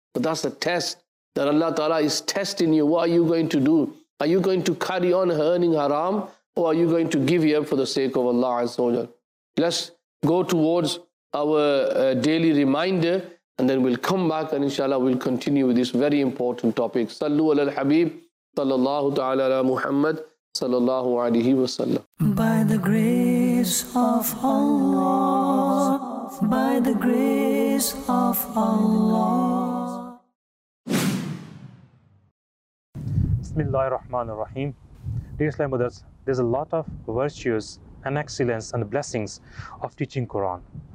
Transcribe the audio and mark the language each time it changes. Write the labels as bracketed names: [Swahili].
[English] But that's a test that Allah Ta'ala is testing you. What are you going to do? Are you going to carry on earning haram, or are you going to give up for the sake of Allah azza wa jal? Let's go towards our daily reminder, and then we'll come back and inshallah we'll continue with this very important topic. [Arabic] Sallu ala al-Habib صلی اللہ تعالی علی محمد صلی اللہ علیہ وسلم. [English] By the grace of Allah, by the grace of Allah. [Arabic] Bismillah ar-Rahman ar-Rahim. [English] Dear Islam brothers, there's a lot of virtues and excellence and blessings of teaching Quran.